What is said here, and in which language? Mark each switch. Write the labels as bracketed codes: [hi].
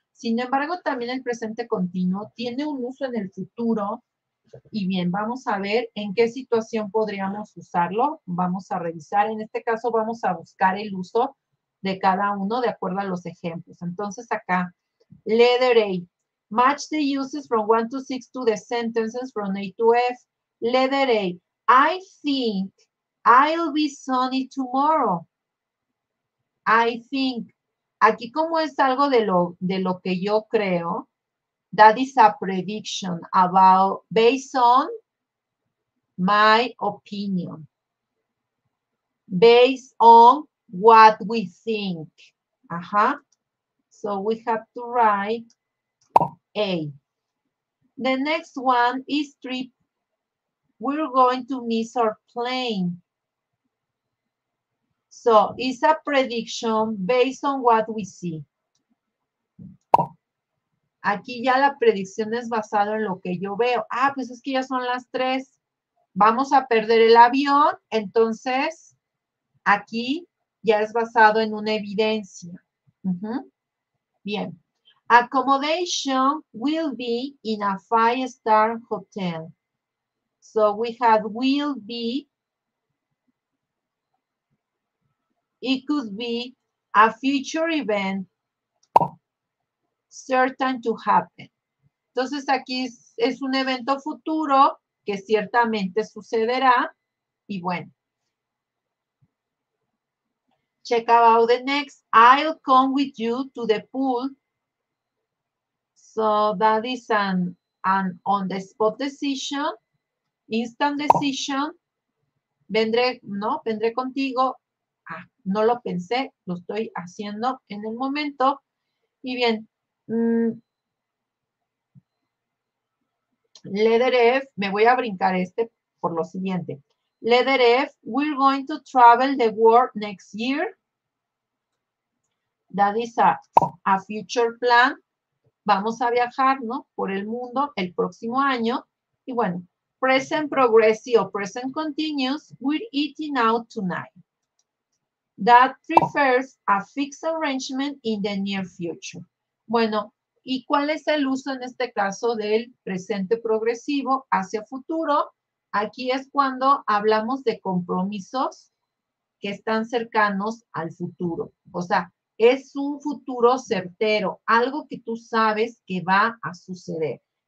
[es] Sin embargo, también el presente continuo tiene un uso en el futuro. Y bien, vamos a ver en qué situación podríamos usarlo. Vamos a revisar. En este caso, vamos a buscar el uso de cada uno de acuerdo a los ejemplos. Entonces, acá, letter A. [en] Match the uses from 1 to 6 to the sentences from A to F. Letter A. I think I'll be sunny tomorrow. I think. [es] Aquí como es algo de lo que yo creo, [en] that is a prediction about, based on my opinion. Based on what we think. Ajá. So we have to write A. The next one is trip. We're going to miss our plane. So it's a prediction based on what we see. [es] Aquí ya la predicción es basada en lo que yo veo. Ah, pues es que ya son las 3. Vamos a perder el avión. Entonces, aquí ya es basado en una evidencia. [en] Uh-huh. Bien. Accommodation will be in a 5-star hotel. So we have will be. It could be a future event certain to happen. [es] Entonces, aquí es un evento futuro que ciertamente sucederá. Y bueno. [en] Check out the next. I'll come with you to the pool. So that is an on-the-spot decision, instant decision. [es] Vendré, ¿no? Vendré contigo. Ah, no lo pensé, lo estoy haciendo en el momento. Y bien, letter F, me voy a brincar este por lo siguiente. [en] Letter F, we're going to travel the world next year. That is a future plan. [es] Vamos a viajar, ¿no? Por el mundo el próximo año. Y bueno, present progressive o present continuous, [en] we're eating out tonight. That prefers a fixed arrangement in the near future. [es] Bueno, ¿y cuál es el uso en este caso del presente progresivo hacia futuro? Aquí es cuando hablamos de compromisos que están cercanos al futuro. O sea, es un futuro certero, algo que tú sabes que va a suceder.